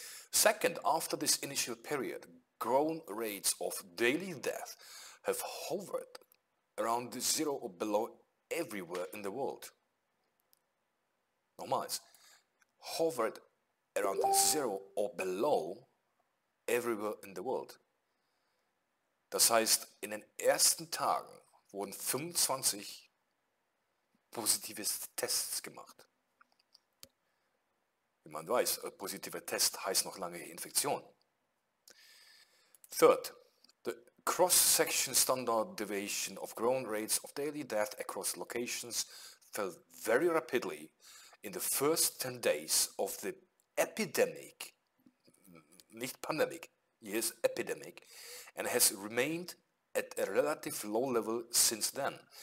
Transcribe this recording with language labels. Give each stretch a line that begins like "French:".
English: Second, after this initial period, growing rates of daily death have hovered around zero or below everywhere in the world.
German: Nochmals,
English: hovered around zero or below everywhere in the world.
German: Das heißt, in den ersten Tagen wurden 25 positive Tests gemacht. Wie man weiß, ein positiver Test heißt noch lange Infektion.
English: Third, the cross-section standard deviation of growing rates of daily death across locations fell very rapidly in the first 10 days of the epidemic,
German: nicht
English: pandemic, yes, epidemic, and has remained at a relative low level since then.